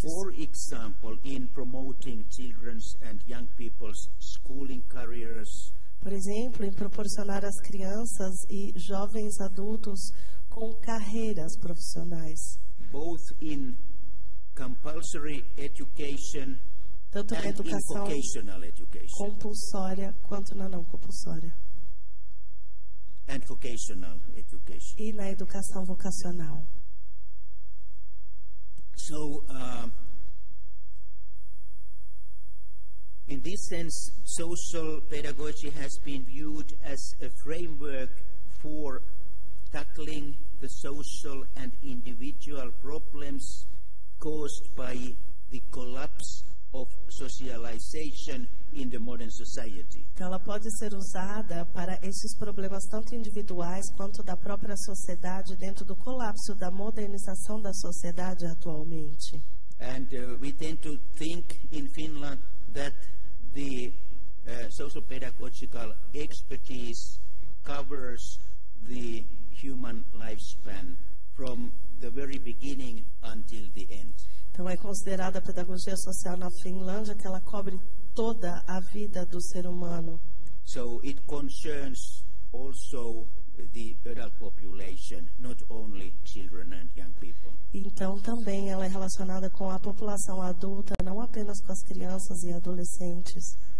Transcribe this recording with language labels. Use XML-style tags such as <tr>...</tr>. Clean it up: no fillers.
<en>For example, in promoting children's and young people's schooling careers.</en> <pt>Por exemplo, em proporcionar às crianças e jovens adultos com carreiras profissionais.</pt> <en>Both in compulsory education</en> <pt>tanto</pt> <en>and</en> <pt>na</pt> <en>vocational education.</en> <pt>Compulsória quanto na não compulsória.</pt> <en>And vocational education.</en> <pt>E na educação vocacional.</pt> <en>So, in this sense, social pedagogy has been viewed as a framework for tackling the social and individual problems caused by the collapse of socialization in the modern society.</en> <pt>Ela pode ser usada para esses problemas tanto individuais quanto da própria sociedade dentro do colapso da modernização da sociedade atualmente.</pt> <en>And we tend to think in Finland that the social pedagogical expertise covers the human lifespan from the very beginning until the end.</en> <pt>Então é considerada a pedagogia social na Finlândia que ela cobre toda a vida do ser humano.</pt> <en>So it concerns also the adult population, not only children and young people.</en> <pt>Então também ela é relacionada com a população adulta, não apenas com as crianças e adolescentes.</pt>